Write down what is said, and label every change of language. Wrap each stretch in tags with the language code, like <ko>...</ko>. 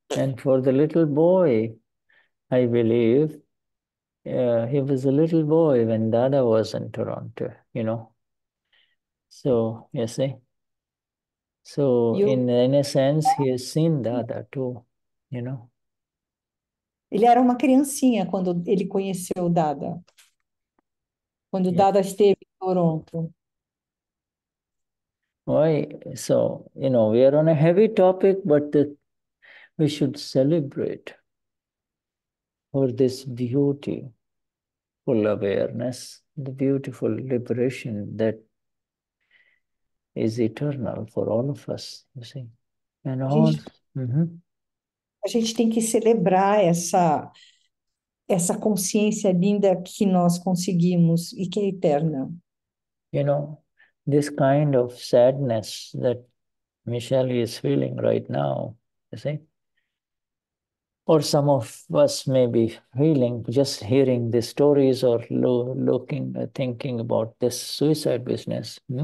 <en>And for the little boy, I believe, he was a little boy when Dada was in Toronto, you know. So, yes, see. Eh? So, in a sense, he has seen Dada too, you know.</en> <pt>Ele era uma criancinha quando ele conheceu Dada. Quando Dada esteve em Toronto.</pt> <en>Why? So, you know, we are on a heavy topic, but we should celebrate for this beauty. Full awareness, the beautiful liberation that is eternal for all of us, you see. And all.</en> <pt>A gente tem que celebrar essa consciência linda que nós conseguimos e que é eterna.</pt> <en>You know, this kind of sadness that Michelle is feeling right now, you see. Or some of us may be feeling, just hearing the stories or looking, thinking about this suicide business.</en>